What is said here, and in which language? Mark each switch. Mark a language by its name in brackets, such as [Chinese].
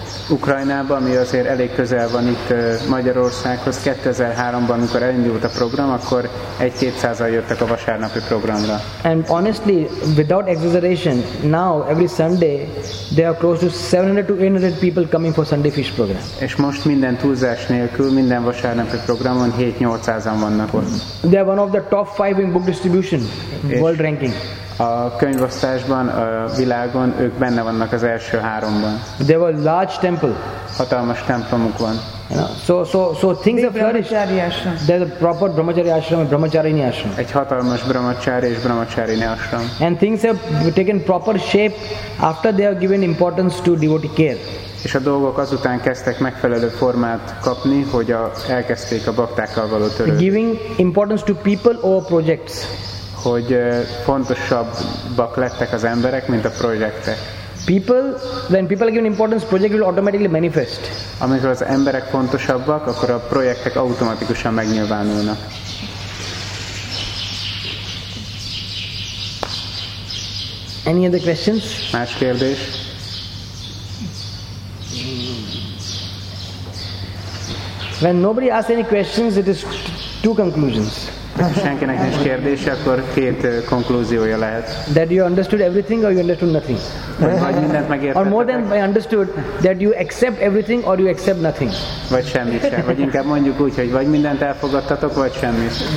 [Hungarian] Ukrajnában, ami azért elég közel van itt Magyarországhoz, 2003-ban, amikor elindult a program, akkor 1-200-an jöttek a vasárnapi programra. [English] And honestly, without exaggeration, now every Sunday there are close to 700-800 people coming for Sunday Feast program. [Hungarian] És most minden túlzás nélkül, minden vasárnapi programon 7-800-an vannak ott. [English] They are one of the top 5 in book distribution, world ranking. [Hungarian] A könyvosztásban, a világon ők benne vannak az első háromban. [English] There were large temple. [Hungarian] Hatalmas templomuk van. [English] So things are flourishing. There's a proper brahmachari ashram and brahmacharini ashram. [Hungarian] Egy hatalmas brahmachari és brahmacharini ashram. [English] And things have taken proper shape after they have given importance to devotee care. [Hungarian] És a dolgok azután kezdtek megfelelő formát kapni, hogy elkezdték a baktákkal való törődést. [English] Giving importance to people over projects. [Hungarian] Hogy fontosabbak lettek az emberek, mint a projektek. [English] People, when people are given importance, project will automatically manifest. [Hungarian] Amikor az emberek fontosabbak, akkor a projektek automatikusan megnyilvánulnak. [English] Any other questions? [Hungarian] Más kérdés? [English] When nobody asks any questions, it is two conclusions. [Hungarian] Senkinek nincs kérdése, akkor két konklúziója lehet. [English] That you understood everything or you understood nothing. [Hungarian] Vagy mindent megértettek. [English] Or more than I understood, that you accept everything or you accept nothing. [Hungarian] Vagy semmit sem. Vagy inkább mondjuk úgy, hogy vagy mindent elfogadtatok, vagy semmit.